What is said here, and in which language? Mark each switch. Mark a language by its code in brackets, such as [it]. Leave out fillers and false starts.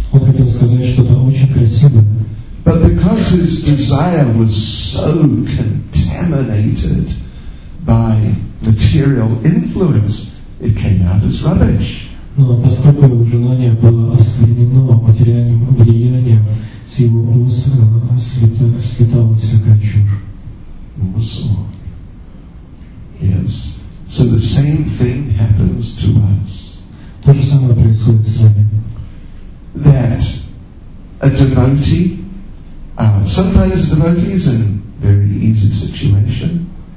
[ru] Он хотел сказать что-то очень красивое. [en] But because his desire was so contaminated by material influence, it came out as rubbish. [ru] Но поскольку его желание было осквернено материальным влиянием, с его уст слетала всякая чушь. [en] Yes. So the same thing happens to us. [ru] То же самое происходит с нами. [en] That a devotee, sometimes devotees in very easy situation,